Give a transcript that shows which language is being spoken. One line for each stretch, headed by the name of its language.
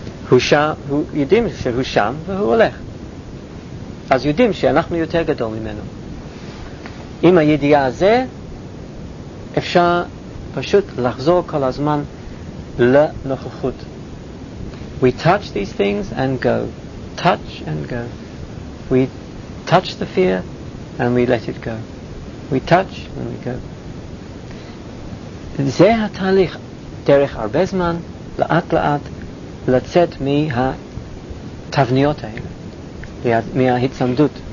Hebrew: הוא שם, יודעים שהוא שם והוא הולך, אז יודעים שאנחנו יותר גדול ממנו. עם הידיעה הזה אפשר פשוט לחזור כל הזמן לנוכחות.
English: We touch these things and go. Touch and go. We touch the fear and we let it go. We touch and we go.
Hebrew: זה התהליך, דרך הרבה זמן, לאט לאט, לצאת מהתבניות האלה, מההצמדות.